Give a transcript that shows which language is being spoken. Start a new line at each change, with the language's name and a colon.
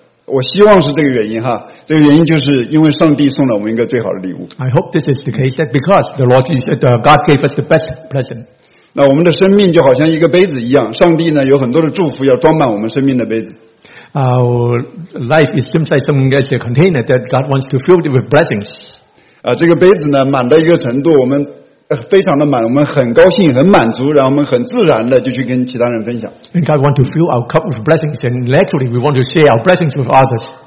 Chinese: 我希望是这个原因哈，这个原因就是因为上帝送了我们一个最好的礼物。
English: I hope this is the case that because the Lord Jesus, God gave us the best present.
Chinese: 那我们的生命就好像一个杯子一样，上帝呢有很多的祝福要装满我们生命的杯子。
English: Our life is seems like something as a container that God wants to fill it with blessings.
Chinese: 这个杯子呢满到一个程度，我们非常的满，我们很高兴、很满足，然后我们很自然的就去跟其他人分享。
English: And God wants to fill our cup with blessings, and naturally we want to share our blessings with others.